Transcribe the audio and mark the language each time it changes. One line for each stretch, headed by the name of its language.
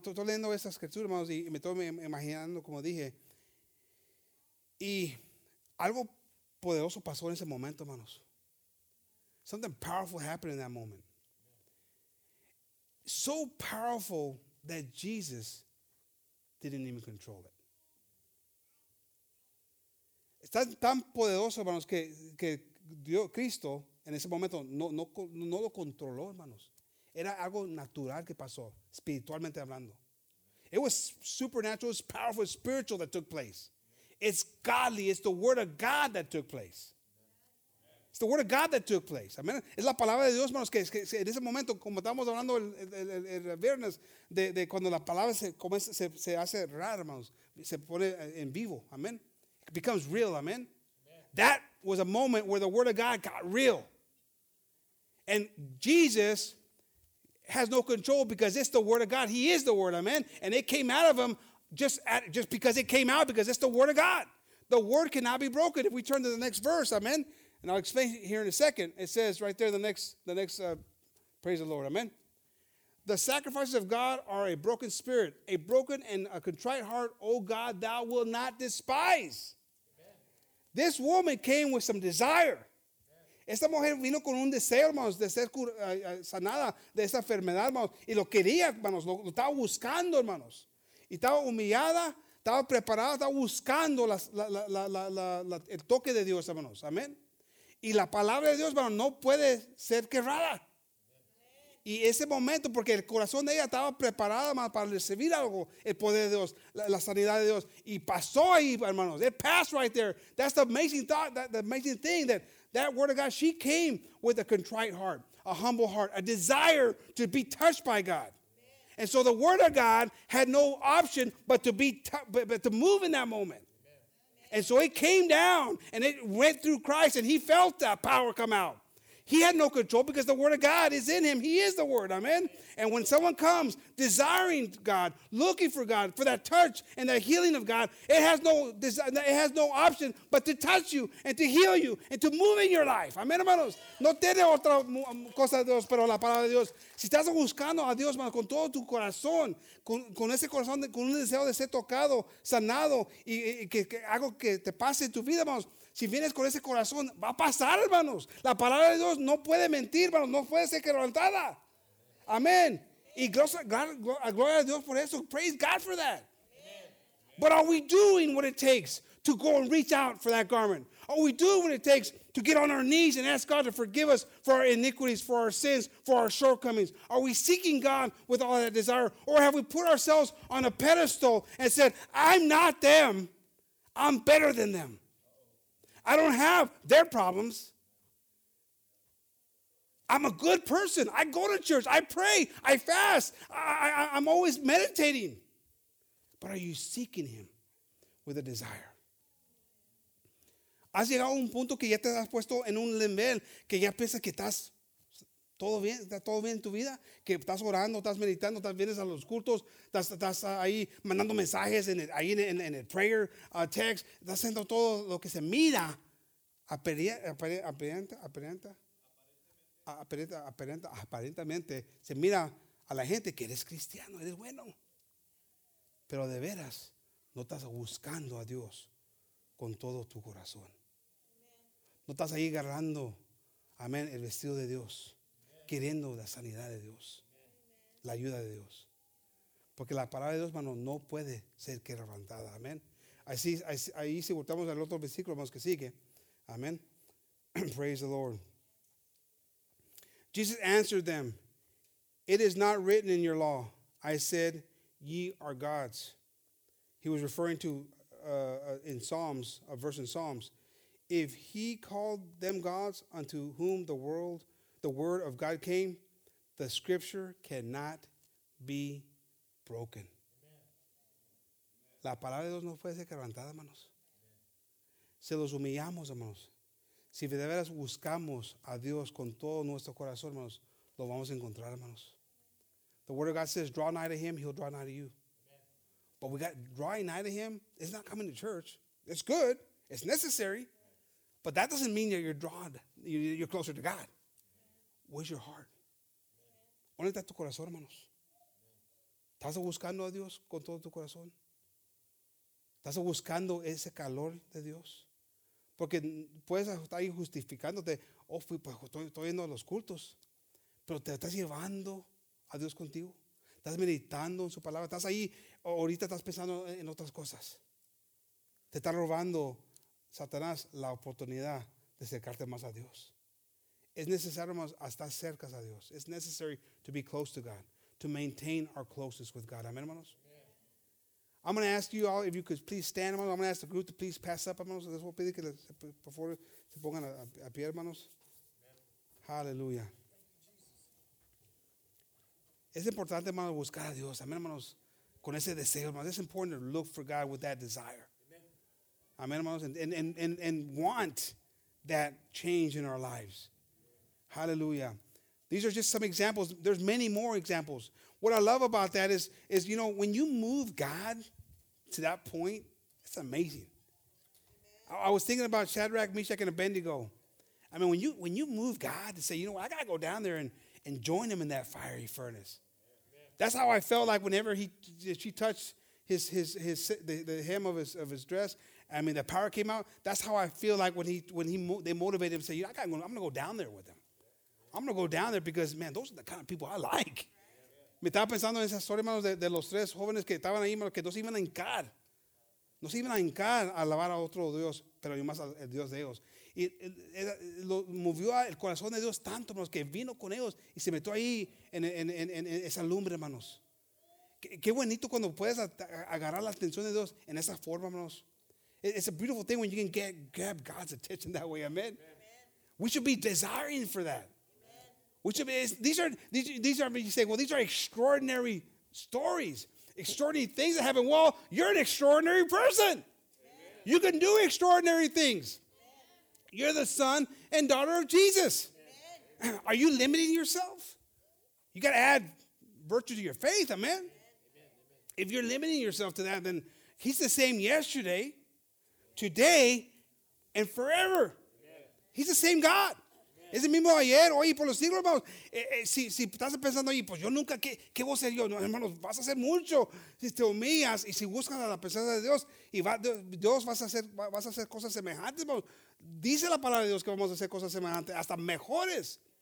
Spanish: Estoy leyendo esa escritura, hermanos, y me estoy imaginando, como dije. Y algo poderoso pasó en ese momento, hermanos.
English: Something powerful happened in that moment. So powerful that Jesus didn't even control it.
Spanish: Está tan poderoso, hermanos, que Dios, Cristo, en ese momento, no lo controló, hermanos. Era algo natural que pasó, espiritualmente hablando.
English: It was supernatural, it was powerful, spiritual that took place. It's godly, it's the word of God that took place. It's the word of God that took place. Amen.
Spanish: Es la palabra de Dios, hermanos, que en ese momento, como estábamos hablando el viernes, de cuando la palabra se hace rara, hermanos, se pone en vivo.
English: Amen. It becomes real. Amen. That was a moment where the word of God got real. And Jesus has no control because it's the word of God. He is the word, amen. And it came out of him just because it came out, because it's the word of God. The word cannot be broken. If we turn to the next verse, amen. And I'll explain here in a second. It says right there, praise the Lord, amen. The sacrifices of God are a broken spirit, a broken and a contrite heart, O God, thou wilt not despise. This woman came with some desire.
Spanish: Esta mujer vino con un deseo, hermanos, de ser sanada de esa enfermedad, hermanos. Y lo quería, hermanos, lo estaba buscando, hermanos. Y estaba humillada, estaba preparada, estaba buscando el toque de Dios, hermanos. Amén. Y la palabra de Dios, hermanos, no puede ser quebrada. Y ese momento, porque el corazón de ella estaba preparado, hermanos, para recibir algo, el poder de Dios, la sanidad de Dios. Y pasó ahí, hermanos.
English: It passed right there. That's the amazing thought, the amazing thing that word of God, she came with a contrite heart, a humble heart, a desire to be touched by God. Amen. And so the word of God had no option but to be but to move in that moment. Amen. And so it came down and it went through Christ and he felt that power come out. He had no control because the word of God is in him. He is the word. Amen. And when someone comes desiring God, looking for God, for that touch and that healing of God, it has no option but to touch you and to heal you and to move in your life.
Spanish: Amen, hermanos. No tiene otra cosa de Dios, pero la palabra de Dios. Si estás buscando a Dios, hermanos, con todo tu corazón, con ese corazón, con un deseo de ser tocado, sanado, y que algo que te pase en tu vida, hermanos, si vienes con ese corazón, va a pasar, hermanos. La palabra de Dios no puede mentir, hermanos, no puede ser quebrantada. Amén. Y gloria a Dios por eso.
English: Praise God for that.
Spanish: Amen.
English: But are we doing what it takes to go and reach out for that garment? Are we doing what it takes to get on our knees and ask God to forgive us for our iniquities, for our sins, for our shortcomings? Are we seeking God with all that desire? Or have we put ourselves on a pedestal and said, I'm not them. I'm better than them. I don't have their problems. I'm a good person. I go to church. I pray. I fast. I'm always meditating. But are you seeking him with a desire?
Spanish: ¿Has llegado a un punto que ya te has puesto en un nivel que ya piensas que estás todo bien, está todo bien en tu vida? Que estás orando, estás meditando, estás vienes a los cultos, estás ahí mandando mensajes en el prayer text, estás haciendo todo lo que se mira, aparentemente, se mira a la gente que eres cristiano, eres bueno. Pero de veras, no estás buscando a Dios con todo tu corazón. No estás ahí agarrando, amén, el vestido de Dios, queriendo la sanidad de Dios, la ayuda de Dios. Porque la palabra de Dios, hermano, no puede ser quebrantada. Amén. Ahí si voltamos al otro versículo, hermanos, que sigue.
English: Amén. Praise the Lord. Jesus answered them, it is not written in your law. I said, ye are gods. He was referring to in Psalms, a verse in Psalms. If he called them gods unto whom the word of God came, the scripture cannot be broken.
Spanish: Amen. La palabra de Dios no puede ser quebrantada, hermanos. Amen. Se los humillamos, hermanos. Si de veras buscamos a Dios con todo nuestro corazón, hermanos, lo vamos a encontrar, hermanos.
English: The word of God says, draw nigh to him, he'll draw nigh to you. Amen. But we got drawing nigh to him, it's not coming to church. It's good. It's necessary. But that doesn't mean that you're drawn, you're closer to God. Where's your heart?
Spanish: ¿Dónde está tu corazón, hermanos? ¿Estás buscando a Dios con todo tu corazón? ¿Estás buscando ese calor de Dios? Porque puedes estar ahí justificándote. Oh, pues estoy yendo a los cultos. Pero te estás llevando a Dios contigo. Estás meditando en su palabra. Estás ahí, ahorita estás pensando en otras cosas. Te está robando Satanás la oportunidad de acercarte más a Dios. Es necesario estar cerca a Dios.
English: It's necessary to be close to God, to maintain our closeness with God. Amen, hermanos. I'm going to ask you all if you could please stand. I'm going to ask the group to please pass up, hermanos.
Spanish: Les voy a pedir que por favor se pongan a pie, hermanos. Hallelujah. Es importante, hermanos, buscar a Dios. Amén, hermanos. Con ese deseo, hermanos.
English: It's important to look for God with that desire.
Spanish: Amén, hermanos.
English: And want that change in our lives. Hallelujah. These are just some examples. There's many more examples. What I love about that is you know, when you move God to that point, it's amazing. I was thinking about Shadrach, Meshach, and Abednego. I mean, when you move God to say, you know what, I got to go down there and join him in that fiery furnace. That's how I felt like whenever she touched the hem of his dress. I mean, the power came out. That's how I feel like when they motivated him to say, you know, I'm going to go down there with him. I'm going to go down there because, man, those are the kind of people I like.
Spanish: Me estaba pensando en esa historia, hermanos, de los tres jóvenes que estaban ahí, que no se iban a hincar a alabar a otro Dios, pero más al Dios de ellos. Y lo movió el corazón de Dios tanto, hermanos, que vino con ellos y se metió ahí en esa lumbre, hermanos. Qué bonito cuando puedes agarrar la atención de Dios en esa forma, hermanos.
English: It's a beautiful thing when you can grab God's attention that way, amen. We should be desiring for that. Which of these are, you say, well, these are extraordinary stories, extraordinary things that happen. Well, you're an extraordinary person. Amen. You can do extraordinary things. Amen. You're the son and daughter of Jesus. Amen. Are you limiting yourself? You got to add virtue to your faith, amen? Amen. If you're limiting yourself to that, then he's the same yesterday, today, and forever. Amen. He's the same God.
Spanish: Es el mismo ayer, hoy y por los siglos, hermanos. Si estás pensando ahí, pues yo nunca, ¿qué voy a hacer yo? No, hermanos, vas a hacer mucho si te humillas y si buscas a la presencia de Dios. Y vas a hacer cosas semejantes, hermanos. Dice la palabra de Dios que vamos a hacer cosas semejantes, hasta mejores.